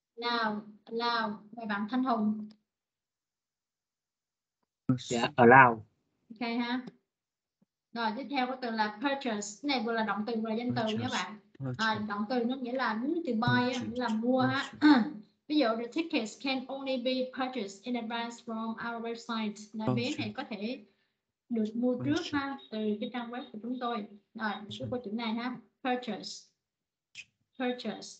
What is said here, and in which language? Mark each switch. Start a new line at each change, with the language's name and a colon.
Vietnamese: Allow, allow. Mời bạn Thanh Hùng.
English: Yeah, allow. Ok ha.
Vietnamese: Rồi tiếp theo có từ là purchase, cái này vừa là động từ vừa là danh từ nha bạn. À, động từ nó nghĩa là muốn từ buy, nghĩa là mua ha. Ví dụ
English: the tickets can only be purchased in advance from our website.
Vietnamese: Là vé này có thể được mua trước ha từ cái trang web của chúng tôi. Rồi số câu chữ này ha, purchase, purchase.